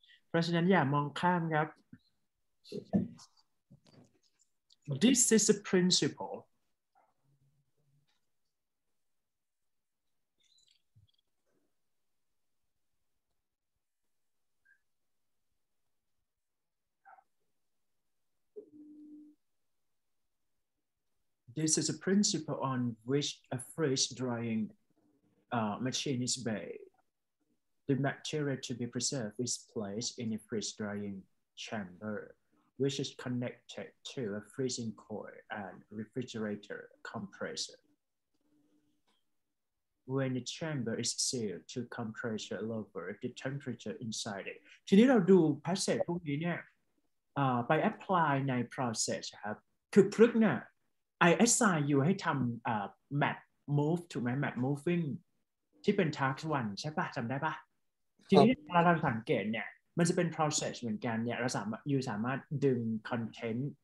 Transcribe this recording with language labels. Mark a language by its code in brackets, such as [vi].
[th] เพราะฉะนั้นอย่ามองข้ามครับ [en] This is a principle This is a principle on which a freeze dryingmachine is made. The material to be preserved is placed in a freeze-drying chamber, which is connected to a freezing coil and refrigerator compressor. When the chamber is sealed to compressor lower the temperature inside it. [th] ทีนี้เราดู process พวกนี้เนี่ยไป apply ใน process ครับคือพลึกเนี่ย [en] I assign you [th] ให้ทำ map move ถูกไหม map movingที่เป็น task 1ใช่ป่ะจำได้ป่ะทีนี้เวลาเราสังเกตเนี่ยมันจะเป็น process เหมือนกันเนี่ยเราสามารถดึง content